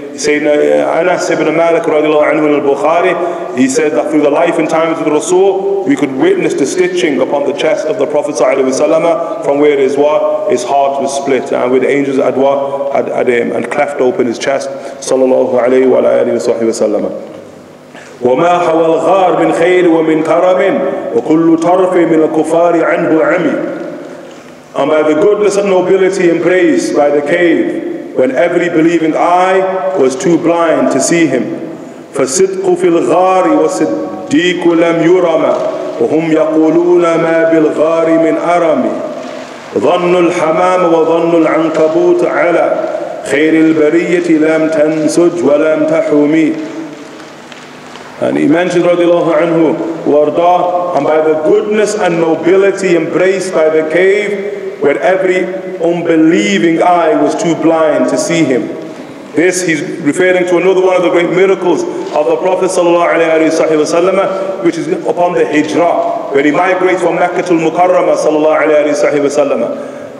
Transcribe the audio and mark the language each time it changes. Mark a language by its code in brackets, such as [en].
[en] Sayyidina Anas ibn Malik radiallahu anhu al-Bukhari, he said that through the life and times of the Rasul, we could witness the stitching upon the chest of the Prophet sallallahu alayhi wa sallam from where his heart was split, and with angels had cleft open his chest, sallallahu alayhi wa sallam. [ar] وما حوى الغار من خير ومن كرم وكل طرف من الكفار عنه عمي. [en] And by the goodness and nobility and praise by the cave, when every believing eye was too blind to see him. [ar] فصدق في الغار وصديق لم يرم وهم يقولون ما بالغار من أرم ظن الحمام وظن العنكبوت على خير البرية لم تنسج ولم تحومي. [en] And he mentions radiallahu anhu, warda, and by the goodness and nobility embraced by the cave, where every unbelieving eye was too blind to see him. This he's referring to another one of the great miracles of the Prophet sallallahu alayhi, which is upon the hijrah, where he migrates from Mecca to al-Mukarramah sallallahu alayhi.